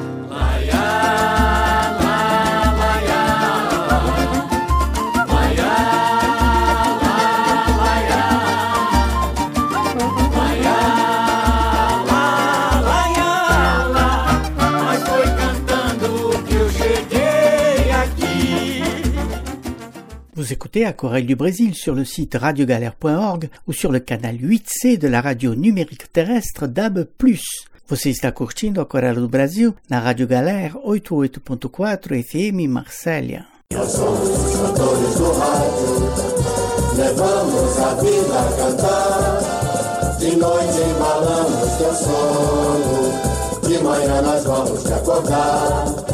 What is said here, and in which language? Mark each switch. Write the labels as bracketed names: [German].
[Portuguese] Laiá, lá, laiá, laiá, lá, laiá, laiá, lá, laiá, lá, mas foi cantando que eu cheguei aqui. [French] Vous écoutez à Chorale du Brésil sur le site radiogalère.org ou sur le canal 8C de la radio numérique terrestre DAB+. [Portuguese] Você está curtindo a Chorale do Brasil na Rádio Galère 88.4 FM Marselha. Nós somos os cantores do rádio, levamos a vida a cantar. De noite embalamos teu sono, de manhã nós vamos te acordar.